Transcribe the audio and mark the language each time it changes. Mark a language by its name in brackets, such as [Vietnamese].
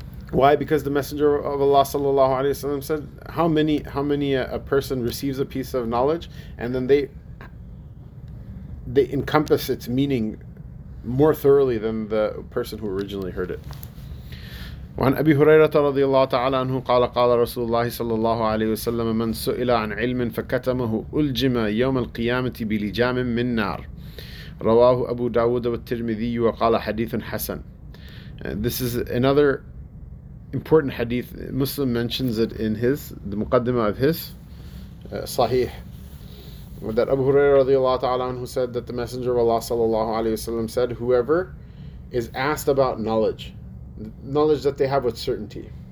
[English] Why? Because the Messenger of Allah sallallahu alayhi wa sallam said, how many a person receives a piece of knowledge and then they encompass its meaning more thoroughly than the person who originally heard it. [Arabic] وعن أبي هريرة رضي الله تعالى عنه قال قال رسول الله صلى الله عليه وسلم من سئل عن علم فكتمه ألجم يوم القيامة بلجام من نار رواه أبو داود والترمذي وقال حديث حسن. [English] This is another important hadith. Muslim mentions it in the muqaddimah of his sahih, that Abu Hurairah [Arabic] رضي الله تعالى عنه [English] said that the Messenger of Allah [Arabic] صلى الله عليه وسلم [English] said, whoever is asked about knowledge that they have with certainty.